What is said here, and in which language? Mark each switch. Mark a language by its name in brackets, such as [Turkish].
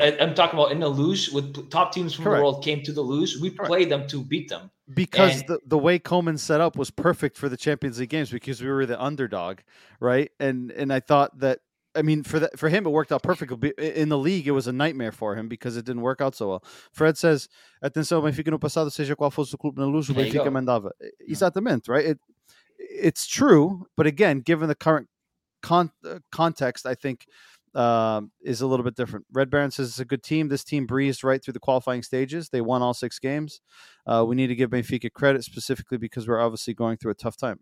[English] I'm talking about in the loose, with top teams from the world came to the loose. We played them to beat them. Because the way Coleman set up was perfect for the Champions League games, because we were the underdog, right? And I thought that, I mean, for him, it worked out perfectly. In the league, it was a nightmare for him because it didn't work out so well. [Portuguese] Fred says, "Atenção, Benfica no passado seja qual fosse o clube na luz, o Benfica mandava." Exatamente, right? [English] It's true, but again, given the current context, I think is a little bit different. Red Baron says it's a good team. This team breezed right through the qualifying stages. They won all 6 games. We need to give Benfica credit specifically because we're obviously going through a tough time.